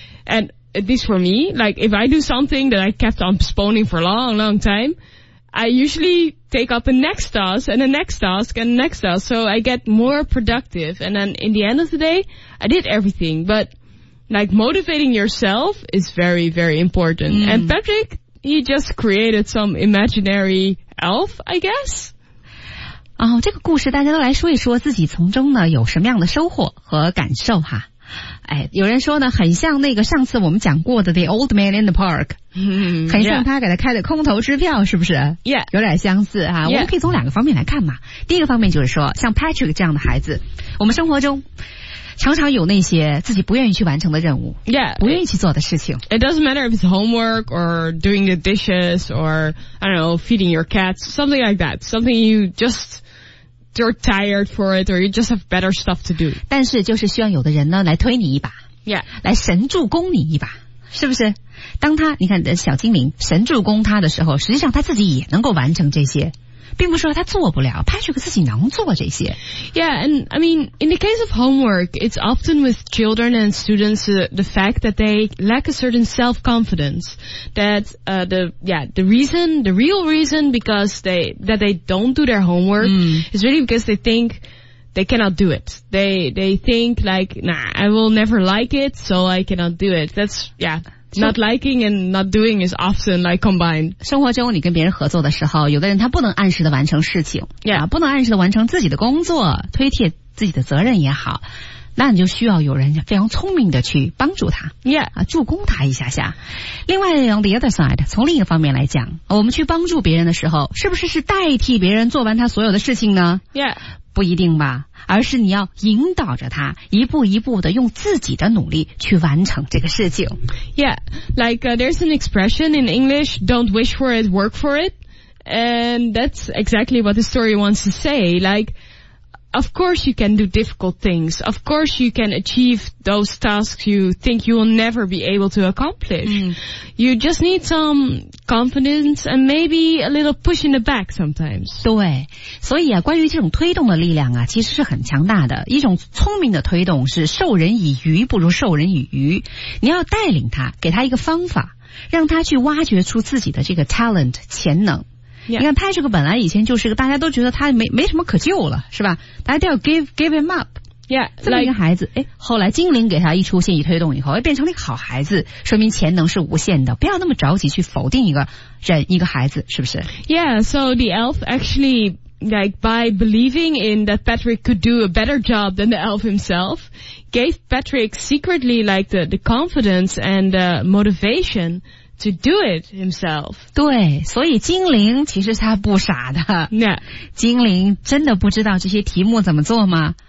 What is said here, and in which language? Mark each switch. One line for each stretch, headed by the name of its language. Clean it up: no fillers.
English: And at least for me, like if I do something that I kept on postponing for a long, long time, I usually take up the next task and the next task and the next task. So I get more productive. And then in the end of the day, I did everything. But like motivating yourself is very, very important. Mm. And Patrick, he just created some imaginary elf, I guess.
Chinese: 哦，这个故事大家都来说一说自己从中呢有什么样的收获和感受哈。哎，有人说呢很像那个上次我们讲过的 The Old Man in the Park、 mm-hmm. 很像他给他开的空头支票，是不是？
English: Yeah.
Chinese: 有点相似哈、啊
English: yeah.
Chinese: 我们可以从两个方面来看嘛。第一个方面就是说像 Patrick 这样的孩子，我们生活中常常有那些自己不愿意去完成的任务，
English: yeah,
Chinese: 不愿意去做的事情。
English: It doesn't matter if it's homework or doing the dishes or I don't know feeding your cats, something like that, something you justYou're tired for it, or you just have better stuff to do.
Chinese: 但是就是需要有的人呢来推你一把。
English: Yeah.
Chinese: 来神助攻你一把。是不是当他你看你的小精灵神助攻他的时候，实际上他自己也能够完成这些。并不是说他做不了， Patrick 自己能做这些。
English: Yeah, and I mean, in the case of homework, it's often with children and students, the fact that they lack a certain self-confidence. That, the real reason because they don't do their homework、mm. is really because they think they cannot do it. They think like, nah, I will never like it, so I cannot do it. That's, yeah. Not liking and not doing is often like combined.
Chinese: 生活中你跟别人合作的时候，有的人他不能按时的完成事情、
English: yeah.
Chinese: 不能按时的完成自己的工作，推卸自己的责任也好，那你就需要有人非常聪明的去帮助他、
English: yeah.
Chinese: 啊、助攻他一下下。另外
English: on the other side,
Chinese: 从另一个方面来讲，我们去帮助别人的时候，是不是是代替别人做完他所有的事情呢？
English: Yeah.
Chinese: 不一定吧，而是你要引导着他一步一步的用自己的努力去完成这个事情。
English: Yeah, like、there's an expression in English, don't wish for it, work for it. And that's exactly what the story wants to say. Like, of course you can do difficult things. Of course you can achieve those tasks you think you will never be able to accomplish.、 Mm. You just need some confidence and maybe a little push in the back sometimes.
Chinese: 对，所以啊，关于这种推动的力量啊，其实是很强大的。一种聪明的推动是授人以鱼不如授人以渔。你要带领他，给他一个方法，让他去挖掘出自己的这个 talent 潜能。
English: Yeah.
Chinese: 你看他这个本来以前就是个大家都觉得他没什么可救了，是吧？大家都要
English: give him up。 Yeah,
Chinese: 这么一个孩子、
English: like,
Chinese: 诶，后来精灵给他一出现一推动以后，变成了一个好孩子，说明潜能是无限的，不要那么着急去否定一个人一个孩子，是不是？
English: Yeah, so the elf actually, like, by believing in that Patrick could do a better job than the elf himself, gave Patrick secretly, like, the confidence and the motivation,to do it himself.
Chinese: 对，所以精灵其实他不傻的。
English: Yeah.
Chinese: 精灵真的不知道这些题目怎么做吗？